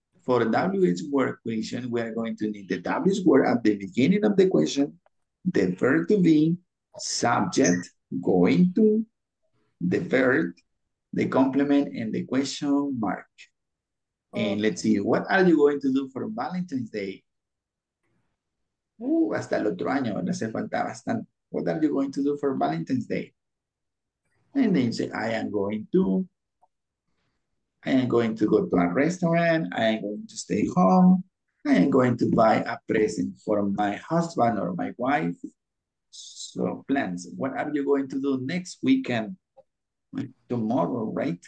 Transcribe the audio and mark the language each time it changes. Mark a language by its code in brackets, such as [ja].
[en] For WH word question, we are going to need the WH word at the beginning of the question, the verb to be, subject, going to, the verb, the complement, and the question mark. And let's see, what are you going to do for Valentine's Day? [es] Hasta el otro año, no hace falta bastante. [en] What are you going to do for Valentine's Day? And then you say, I am going to go to a restaurant. I am going to stay home. I am going to buy a present for my husband or my wife. So plans, what are you going to do next weekend? Tomorrow, right?